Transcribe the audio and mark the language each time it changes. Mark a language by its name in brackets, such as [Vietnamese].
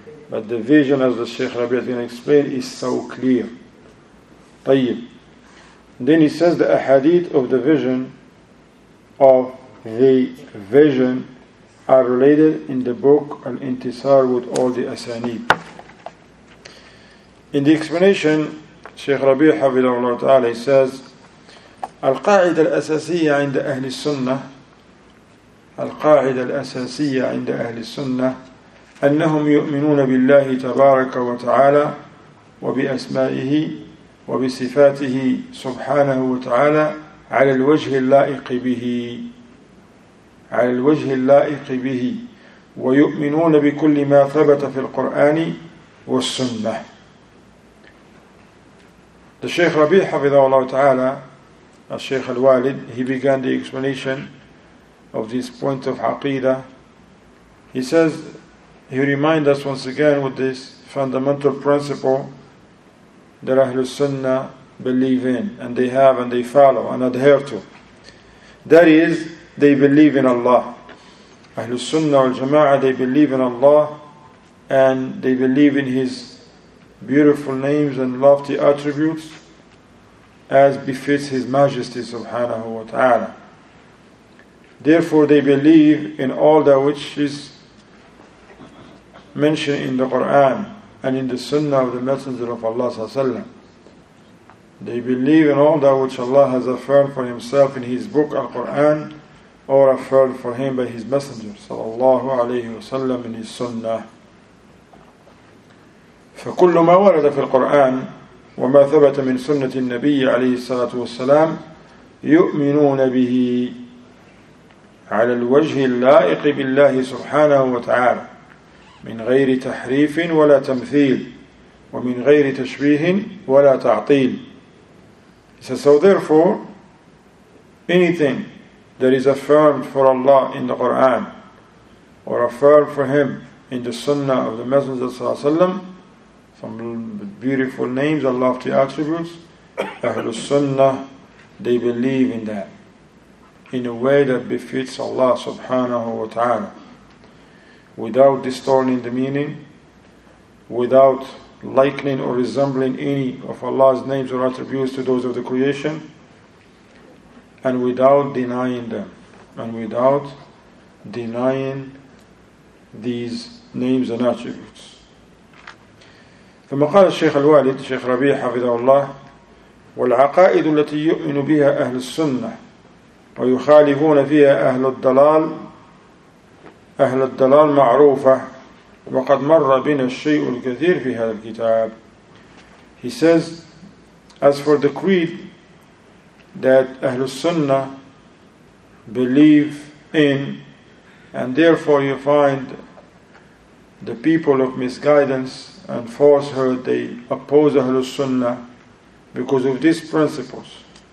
[English] But the vision, as the Shaykh Rabbi has been explained, is so clear. [Arabic] طيب. [English] Then he says the ahadith of the vision, of the vision, are related in the book al-Intisaar with all the asaaneed. In the explanation, Shaykh Rabbi hafidhahullaah ta'ala says, [Arabic] القاعدة الأساسية عند أهل السنة القاعدة الأساسية عند أهل السنة أنهم يؤمنون بالله تبارك وتعالى وبأسمائه وبصفاته سبحانه وتعالى على الوجه اللائق به على الوجه اللائق به ويؤمنون بكل ما ثبت في القرآن والسنة. [English] The Sheikh Rabee, hafidhahullaah ta'ala, as Sheikh al-Walid, he began the explanation of this point of Aqeedah. He says, he reminds us once again with this fundamental principle that Ahlul Sunnah believe in, and they have, and they follow, and adhere to. That is, they believe in Allah. Ahlul Sunnah wal-Jama'ah, they believe in Allah, and they believe in His beautiful names and lofty attributes as befits His Majesty subhanahu wa ta'ala. Therefore, they believe in all that which is mentioned in the Qur'an and in the Sunnah of the Messenger of Allah sallallahu alayhi wa sallam. They believe in all that which Allah has affirmed for Himself in His book, Al-Qur'an, or affirmed for Him by His Messenger sallallahu alayhi wa sallam in His Sunnah. [Arabic] فكل ما ورد في القرآن وما ثبت من سنة النبي عليه الصلاة والسلام يؤمنون به على الوجه اللائق بالله سبحانه وتعالى من غير تحريف ولا تمثيل ومن غير تشبيه ولا تعطيل. [English] So therefore, anything that is affirmed for Allah in the Quran or affirmed for Him in the Sunnah of the Messenger صلى الله عليه وسلم, from beautiful names and lofty attributes, Ahlul Sunnah, they believe in that in a way that befits Allah subhanahu wa ta'ala, without distorting the meaning, without likening or resembling any of Allah's names or attributes to those of the creation, and without denying them, and without denying these names and attributes. [Arabic] ثم قال الشيخ الوالد الشيخ ربيع حفظه الله والعقائد التي يؤمن بها أهل السنة ويخالفون فيها أهل الضلال معروفة وقد مر بنا الشيء الكثير في هذا الكتاب. [English] He says, as for the creed that أهل السنة believe in, and therefore you find the people of misguidance and falsehood, they oppose Ahlul Sunnah because of these principles.